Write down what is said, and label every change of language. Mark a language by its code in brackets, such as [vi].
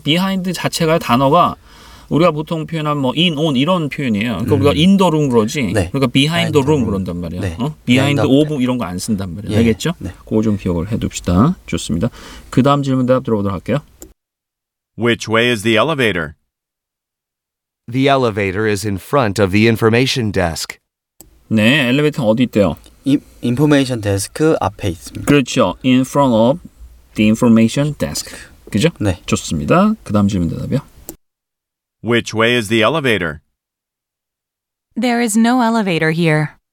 [ko] Behind 자체가 단어가 우리가 보통 표현한 뭐 in, on 이런 표현이에요. 그러니까 우리가 [en] in the room [ko] 그러지. 네. 그러니까 [en] behind the room [ko] 그런단 말이에요. 네. [en] Behind of [ko] 이런 거 안 쓴단 말이에요. 예. 알겠죠? 네. 그거 좀 기억을 해둡시다. 좋습니다. 그 다음 질문 대답 들어보도록 할게요. [en] Which way is the elevator? The elevator is in front of the information desk. [ko] 네, 엘리베이터 어디 있대요? Information desk 앞에 있습니다. 그렇죠. [en] In front of the information desk. 그죠? [ko] 네. 좋습니다. 그 다음 질문 대답이요. [en] Which way is the elevator? There is no elevator here.